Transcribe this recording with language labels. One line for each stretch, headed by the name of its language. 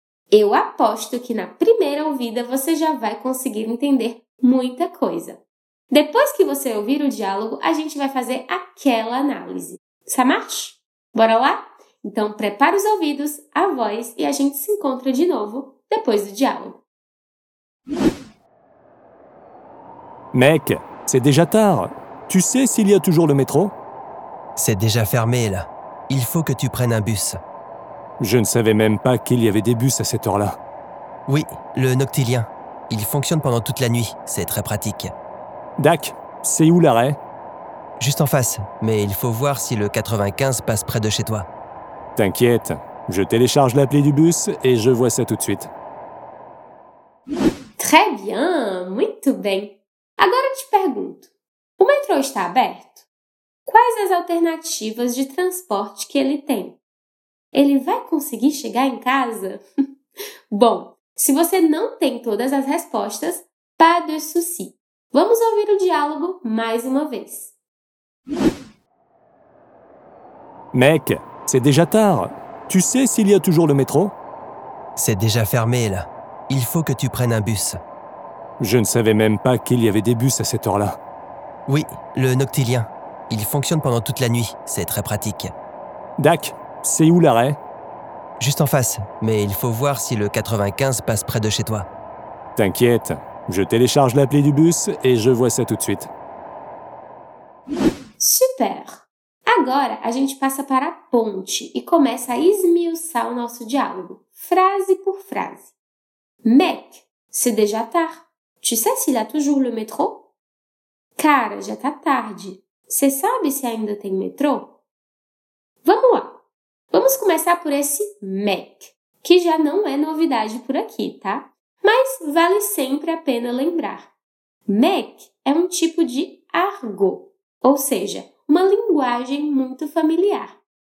Portuguese: Eu aposto que na primeira ouvida você já vai conseguir entender muita coisa. Depois que você ouvir o diálogo, a gente vai fazer aquela análise.
French: Ça marche?
Portuguese: Bora lá? Então, prepara os ouvidos, a voz e a gente se encontra de novo depois do diálogo.
French: Mec, c'est déjà tard. Tu sais s'il y a toujours le métro? C'est déjà fermé, là. Il faut que tu prennes un bus. Je ne savais même pas qu'il y avait des bus à cette heure-là. Oui, le Noctilien. Il fonctionne pendant toute la nuit. C'est très pratique. Dac, c'est où l'arrêt? Juste en face, mais il faut voir si le 95 passe près de chez toi. T'inquiète, je télécharge l'appli du bus et je vois ça tout de suite. Très bien,
Portuguese: muito bem. Agora eu te pergunto, o metrô está aberto? Quais as alternativas de transporte que ele tem? Ele vai conseguir chegar em casa? Bom, se você não tem todas as respostas,
French: pas de souci.
Portuguese: Vamos ouvir o diálogo mais uma vez.
French: Mec, c'est déjà tard. Tu sais s'il y a toujours le métro? C'est déjà fermé, là. Il faut que tu prennes un bus. Je ne savais même pas qu'il y avait des bus à cette heure-là. Oui, le Noctilien. Il fonctionne pendant toute la nuit. C'est très pratique. Dac, c'est où l'arrêt? Juste en face, mais il faut voir si le 95 passe près de chez toi. T'inquiète, je télécharge l'appli du bus et je vois ça tout de suite. Super!
Portuguese: Agora, a gente passa para a ponte e começa a esmiuçar o nosso diálogo, frase por frase.
French: Mec, c'est déjà tard. Tu sais s'il y a toujours le métro?
Portuguese: Cara, já tá tarde. Você sabe se ainda tem metrô? Vamos lá. Vamos começar por esse mec, que já não é novidade por aqui, tá? Mas vale sempre a pena lembrar. Mec é um tipo de argot, ou seja, uma linguagem muito familiar.